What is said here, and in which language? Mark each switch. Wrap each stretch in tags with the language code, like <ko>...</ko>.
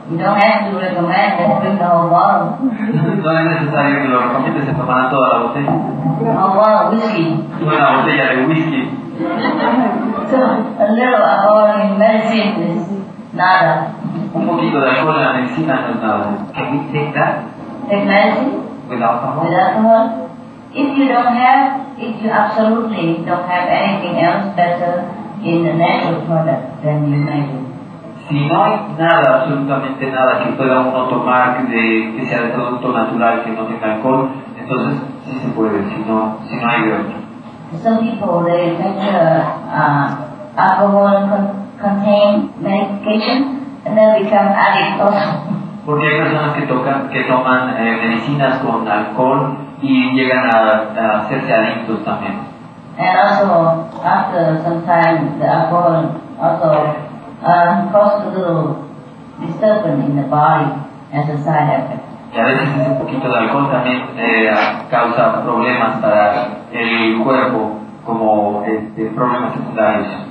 <es>No es necesario que lo recomiendes, se tomará toda la botella.</es> <en>Oh, wow, whisky.</en> <es>Una botella de whisky.</es> <en>So, a little alcohol in medicine is nada.</en> <es>Un poquito de alcohol en la medicina no es nada.</es> <en>Can we take that? Take medicine? Without alcohol? Without alcohol? If you absolutely don't have anything else better in the natural product, then you may do.</en> <es>Si no hay nada, absolutamente nada, que pueda uno tomar que sea de producto natural, que no tenga alcohol, entonces sí se puede, si no hay de otro.</es> <en>Some people, they measure alcohol contain medication, and they become addicted also.</en> <es>Porque hay personas que toman medicinas con alcohol y llegan a hacerse adictos también.</es> <en>And also, after some time, the alcohol also causes a little disturbance in the body as a side effect.</en> <es>Y a veces un poquito de alcohol también causa problemas para el cuerpo, como problemas secundarios.</es>